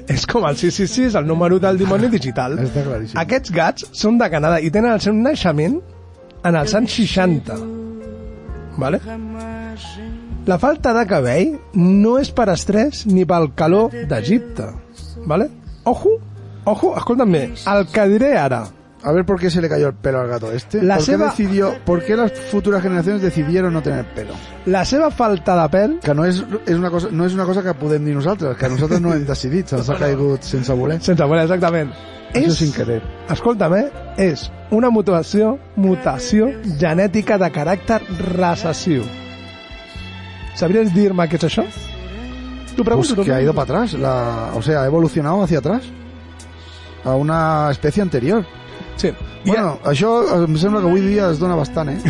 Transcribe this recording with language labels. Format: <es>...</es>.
<ca>És com el 666, el número del dimoni digital. Està claríssim. Aquests gats són de Canadà i tenen el seu naixement en els anys 60. Vale? La falta de cabell no és per estrès ni pel calor d'Egipte. Vale? Ojo, escolta'm bé, el que diré ara...</ca> <es>A ver por qué se le cayó el pelo al gato este. ¿Por qué las futuras generaciones decidieron no tener pelo?</es> <ca>La seva falta de pèl... Que no és una cosa que podem dir nosaltres, que nosaltres no hem decidit, se'ns ha caigut sense voler. Sense voler, exactament. Això és</ca> <es>sin querer.</es> <ca>Escolta'm, és una mutació genètica de caràcter recessiu. ¿Sabries dir-me què és això? Tu preguntes...</ca> <es>Pues que ha ido para atrás, ha evolucionado hacia atrás, a una especie anterior. Sí.</es> <ca>Bueno, ja... això em sembla que avui dia es dona bastant, eh?</ca>